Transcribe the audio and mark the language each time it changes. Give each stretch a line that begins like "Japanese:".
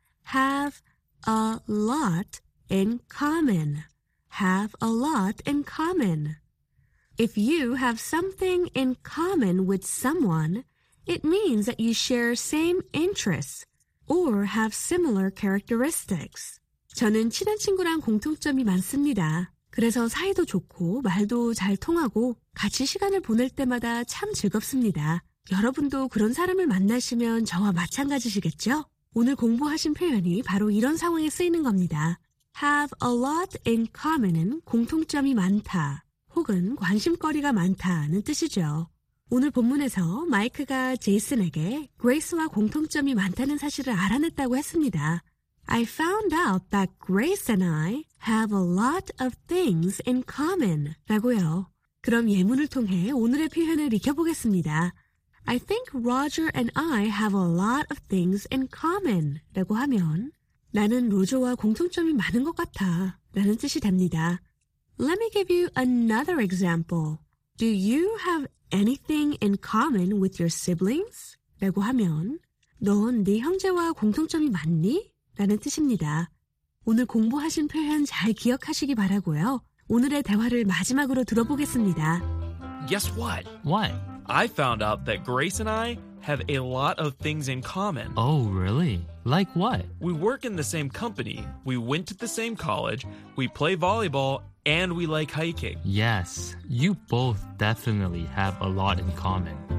English: Have a lot in common. Have a lot in common. If you have something in common with someone, it means that you share same interests or have similar characteristics.
Korean: 저는 친한 친구랑 공통점이 많습니다. 그래서 사이도 좋고 말도 잘 통하고 같이 시간을 보낼 때마다 참 즐겁습니다. 여러분도 그런 사람을 만나시면 저와 마찬가지시겠죠? 오늘 공부하신 표현이 바로 이런 상황에 쓰이는 겁니다.
English: Have a lot in common
Korean: 은 공통점이 많다 혹은 관심거리가 많다는 뜻이죠. 오늘 본문에서 마이크가 제이슨에게 Grace와 공통점이 많다는 사실을 알아냈다고 했습니다.
English: I found out that Grace and I have a lot of things in common.
Korean: 라고요. 그럼 예문을 통해 오늘의 표현을 익혀보겠습니다.
English: I think Roger and I have a lot of things in common.
Korean: 라고 하면 나는 로저와 공통점이 많은 것 같아. 라는 뜻이 됩니다.
English: Let me give you another example. Do you have anything in common with your siblings?
Korean: 라고 하면 넌 네 형제와 공통점이 많니? 라는 뜻입니다. 오늘 공부하신 표현 잘 기억하시기 바라고요. 오늘의 대화를 마지막으로 들어보겠습니다.
English: Guess what? What? I found out that Grace and I have a lot of things in common. Oh, really? Like what? We work in the same company, we went to the same college, we play volleyball, and we like hiking. Yes, you both definitely have a lot in common.